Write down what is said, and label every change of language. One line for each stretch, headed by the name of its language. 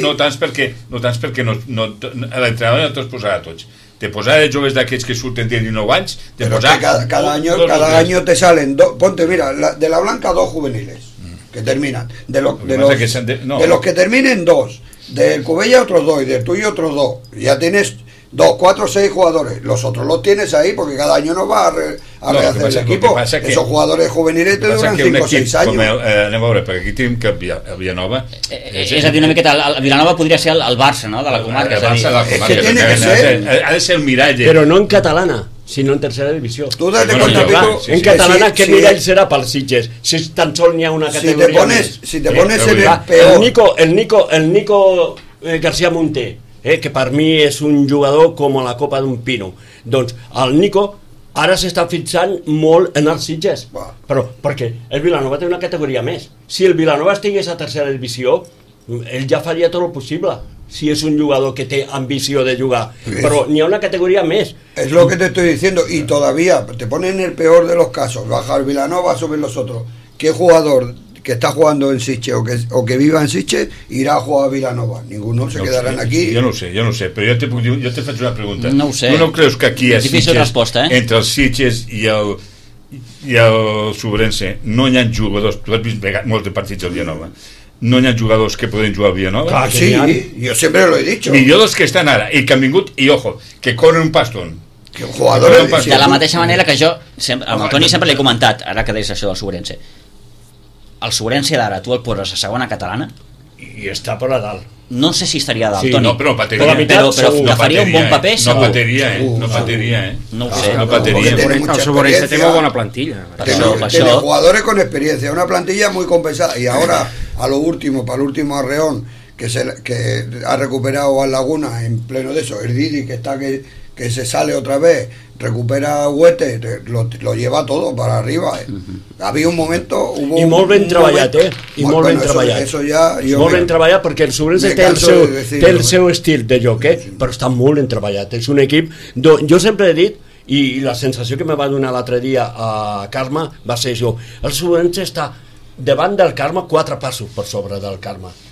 Catalan: No tant perquè l'entrenador no te'ls posarà a tots. Te posarà de joves d'aquests que surten de 19 anys. Cada any
Spanish: te salen dos. Ponte, mira, de la Blanca dos juveniles que terminan, de los que terminen dos, del Cubella otros dos y del tuyo otros dos, ya tienes dos, cuatro, seis jugadores, los otros los tienes ahí porque cada año no va a rehacer el equipo, esos jugadores juveniles te duran 5 o 6 años.
Catalan: Anem a veure, perquè aquí tenim que el Villanova... És a dir, una miqueta, el Villanova podria ser el Barça, no?, de la comarca. Ha de ser el mirall. Però no en catalana, sinó en tercera divisió.
Spanish: Tu date cuenta,
Catalan: en catalana, que mirall serà pels Sitges, si tan sol n'hi ha una categoria.
Spanish: Si te pones en el peor...
Catalan: El Nico García Munté, que per mi és un jugador com la copa d'un pino, doncs el Nico ara s'està fixant molt en els Sitges, però perquè el Vilanova té una categoria més. Si el Vilanova estigués a tercera divisió, ell ja faria tot el possible, si és un jugador que té ambició de jugar, però n'hi ha una categoria més.
Spanish: És lo que te estoy diciendo, y todavía te ponen en el peor de los casos, bajar Vilanova, subir los otros. ¿Qué jugador que está jugando en Sitges o que viva en Sitges irá a jugar a Vilanova? Ninguno se quedarà aquí.
Catalan: Jo no sé, però jo te faig una pregunta. No ho sé. No creus que aquí a Sitges, entre els Sitges i el Sobrense, no hi ha jugadors? Tu has vist molts partits a Vilanova. No hi ha jugadors que poden jugar a Vilanova? Clar, sí, jo sempre l'he dit. Millor dels que estan ara, i que han vingut, i ojo, que corren un pastón. Que jugadors... De la mateixa manera que jo, amb el Toni sempre l'he comentat, ara que deies això del Sobrense. El Sobrense d'ara, tu el poses a segona catalana? I està per a dalt. No sé si estaria a dalt, sí, Toni. No, però pateria. Però segur, que faria un bon paper, segur. No pateria, No pateria, No ho sé. No pateria. El Sobrense té molt bona plantilla. Per això.
Spanish: Tiene jugadores con experiencia, una plantilla muy compensada. Y ahora, a lo último, para el último arreón, que ha recuperado a Laguna en pleno de eso, el Didi, que está que se sale otra vez, recupera Huete, lo lleva todo para arriba. Había un momento, hubo
Catalan: y molt ben treballat, molt ben treballat, perquè el Sobrense té el seu estil de joc, però està molt ben treballat. És un equip, jo sempre he dit, i la sensació que me va donar l'altre dia a Carme va ser això: el Sobrense està davant del Carme, 4 passos per sobre del Carme.